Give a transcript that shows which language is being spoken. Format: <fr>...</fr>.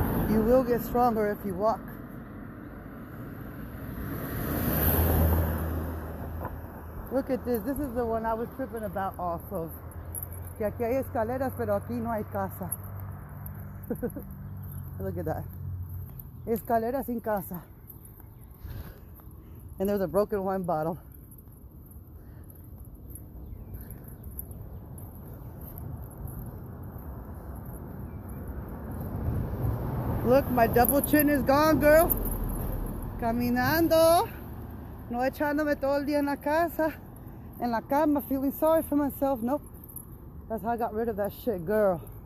<en>You will get stronger if you walk. Look at this. This is the one I was tripping about off of.</en> <es>Que aquí hay escaleras, pero aquí no hay casa.</es> <en>Look at that.</en> <es>Escalera sin casa.</es> <en>And there's a broken wine bottle. Look, my double chin is gone, girl.</en> <es>Caminando. No echándome todo el día en la casa. En la cama,</es> <en>feeling sorry for myself. Nope. That's how I got rid of that shit, girl.</en>